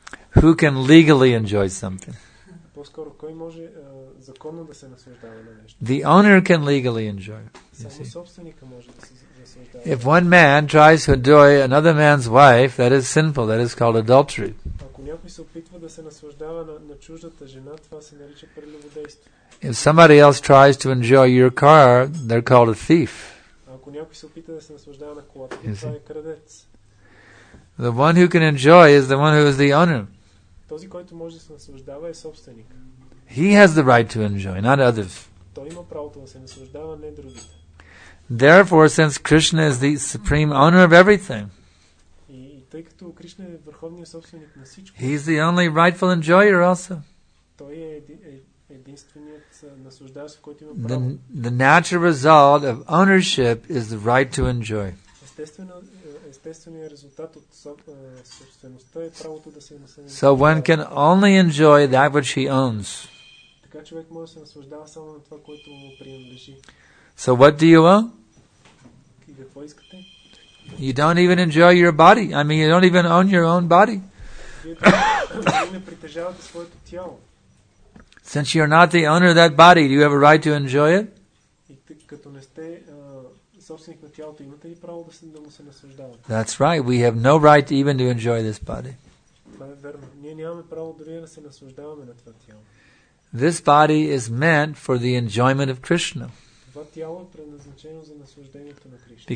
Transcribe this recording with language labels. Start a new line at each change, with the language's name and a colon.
English: Who can legally enjoy something?
Bulgarian: По-скоро, кой може законно да се наслаждава на нещо?
English: The owner can legally enjoy.
Bulgarian: Само собственика може да се наслаждава.
English: If one man tries to enjoy another man's wife, that is sinful, that is called adultery.
Bulgarian: Ако някой се опитва да се наслаждава на чуждата жена, това се нарича прелюбодейство.
English: If somebody else tries to enjoy your car, they're called a thief.
Bulgarian: Ако някой се опита да се наслаждава на колата, това е крадец.
English: The one who can enjoy is the one who is the owner.
Bulgarian: Този, който може да се наслаждава, е собственик.
English: He has the right to enjoy, not others.
Bulgarian: Той има правото да се наслаждава, не другите.
English: Therefore, since Krishna is the supreme owner of everything,
Bulgarian: и тъй като Кришна е върховният собственик на всичко,
English: he is the only rightful enjoyer also.
Bulgarian: Той е единственият наслаждаващ, който има право.
English: The natural result of ownership is the right to enjoy.
Bulgarian: Естественият резултат от собствеността е правото да се наслаждава.
English: So one can only enjoy that which he owns.
Bulgarian: Така човек може да се наслаждава само на това, което му принадлежи.
English: So what do you own?
Bulgarian: Какво искате?
English: You don't even enjoy your body. I mean, you don't even own your own body.
Bulgarian: Вие не притежавате своето тяло.
English: Since you're not the owner of that body, do you have a right to enjoy it?
Bulgarian: И като не сте собственик на тялото, имате ли право да му се наслаждавате?
English: That's right. We have no right even to enjoy this body.
Bulgarian: Това е верно. Ние нямаме право дори да се наслаждаваме на това тяло.
English: This body is meant for the enjoyment of Krishna.
Bulgarian: Това тяло е предназначено за наслаждението на Кришна.